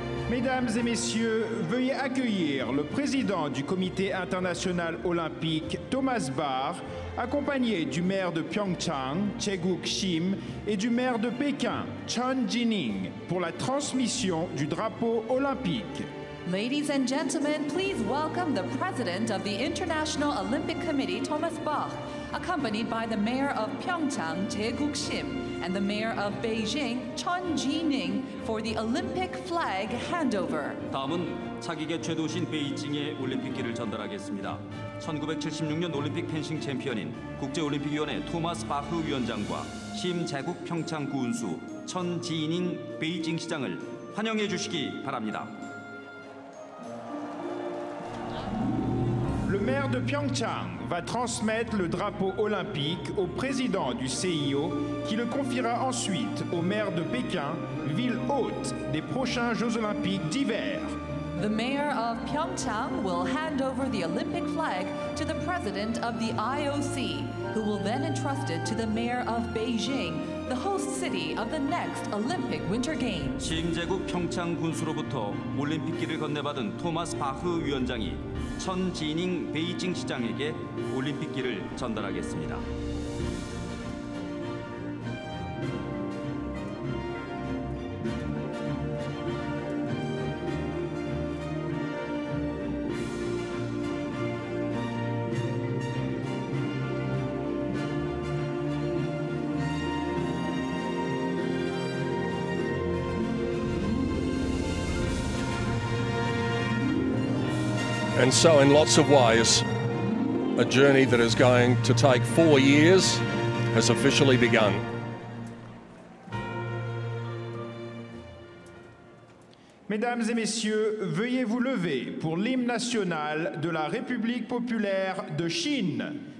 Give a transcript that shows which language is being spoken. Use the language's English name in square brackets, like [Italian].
[French] Mesdames et messieurs, veuillez accueillir le président du Comité international olympique, Thomas Barr, accompagné du maire de Pyeongchang, Cheguk Shim, et du maire de Pékin, Chun Jining, pour la transmission du drapeau olympique. [English] Ladies and gentlemen, please welcome the president of the International Olympic Committee, Thomas Bach, accompanied by the mayor of Pyeongchang, Jae-guk Shim, and the mayor of Beijing, Chun Ji-ning, for the Olympic flag handover. [Korean] 다음은 차기계 최도시인 베이징의 올림픽기를 전달하겠습니다. 1976년 올림픽 펜싱 챔피언인 국제올림픽위원회 토마스 바흐 위원장과 심 제국 평창 구운수 천 지이닝 베이징 시장을 환영해 주시기 바랍니다. [French] Le maire de Pyeongchang va transmettre le drapeau olympique au président du CIO qui le confiera ensuite au maire de Pékin, ville hôte des prochains Jeux olympiques d'hiver. [English] The mayor of Pyeongchang will hand over the Olympic flag to the president of the IOC, who will then entrust it to the mayor of Beijing, the host city of the next Olympic Winter Games. [Korean] 시임제국 평창 군수로부터 올림픽기를 건네받은 토마스 바흐 위원장이 천 지이닝 베이징 시장에게 올림픽기를 전달하겠습니다. [English] And so, in lots of ways, a journey that is going to take 4 years has officially begun. [French] Mesdames et messieurs, veuillez vous lever pour l'hymne national de la République populaire de Chine.